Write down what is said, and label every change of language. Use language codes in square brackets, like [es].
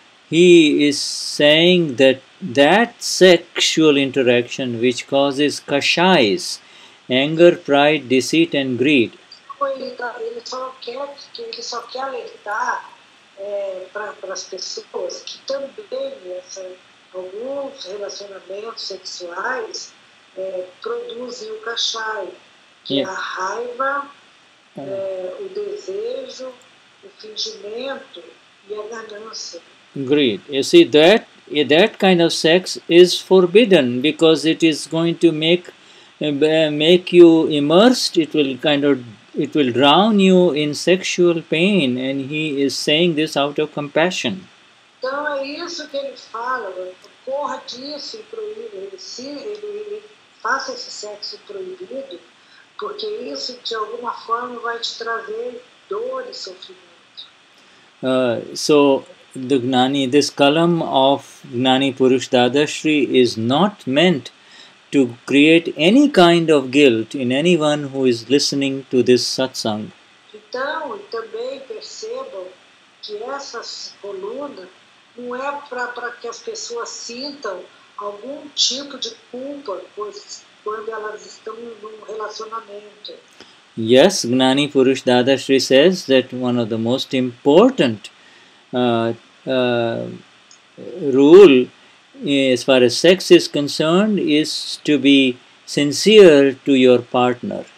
[en] He is saying that sexual interaction which causes kashais, anger, pride, deceit and greed. [pt] Ele só quer alertar para as pessoas que também alguns relacionamentos sexuais produzem o kashai, que é a raiva, o desejo, o fingimento e a ganância. [en] Greed. You see, that kind of sex is forbidden because it is going to make you immersed. It will drown you in sexual pain. And he is saying this out of compassion. [pt] Então é isso que ele fala. Corra disso e proíbe. Ele faça esse sexo proibido, porque isso de alguma forma vai te trazer dor e sofrimento. [en] The Gnani, this Kalam of Gnani Purush Dadashri is not meant to create any kind of guilt in anyone who is listening to this satsang. [pt] Então, também percebam que essa coluna não é para que as pessoas sintam algum tipo de culpa quando elas estão num relacionamento. [en] Yes, Gnani Purush Dadashri says that one of the most important rule as far as sex is concerned is to be sincere to your partner.